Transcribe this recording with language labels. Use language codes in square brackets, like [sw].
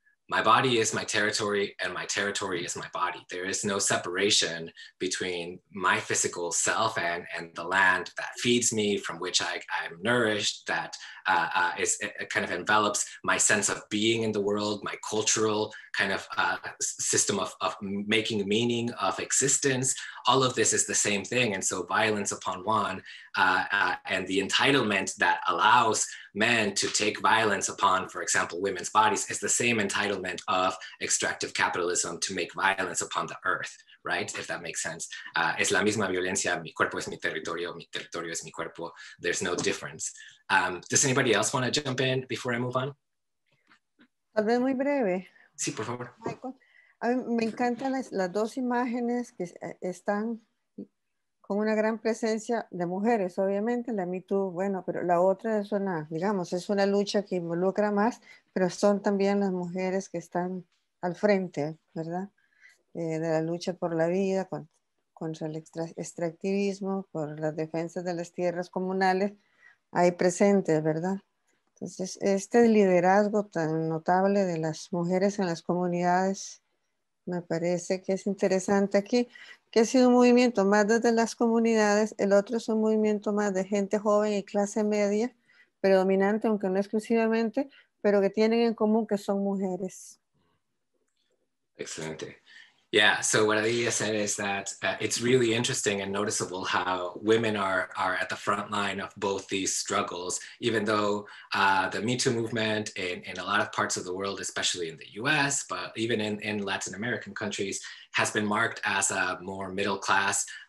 [en] My body is my territory and my territory is my body. There is no separation between my physical self and the land that feeds me, from which I'm nourished, that it kind of envelops my sense of being in the world, my cultural kind of system of making meaning of existence. All of this is the same thing. And so violence upon one and the entitlement that allows men to take violence upon, for example, women's bodies, is the same entitlement of extractive capitalism to make violence upon the earth, right? If that makes sense. [es] Es la misma violencia, mi cuerpo es mi territorio es mi cuerpo. [en] There's no difference. Does anybody else want to jump in before I move on? [es] Tal vez muy breve. Sí, por favor. Michael, me encantan las dos imágenes que están con una gran presencia de mujeres, obviamente, la Me Too, bueno, pero la otra es una, digamos, es una lucha que involucra más, pero son también las mujeres que están al frente, ¿verdad? De la lucha por la vida, contra el extractivismo, por las defensas de las tierras comunales, ahí presentes, ¿verdad? Entonces, este liderazgo tan notable de las mujeres en las comunidades, me parece que es interesante aquí, que ha sido un movimiento más desde las comunidades, el otro es un movimiento más de gente joven y clase media, predominante, aunque no exclusivamente, pero que tienen en común que son mujeres. Excelente. [en] Yeah, so what Adilia said is that it's really interesting and noticeable how women are at the front line of both these struggles, even though the Me Too movement in a lot of parts of the world, especially in the US, but even in Latin American countries, has been marked as a more middle-class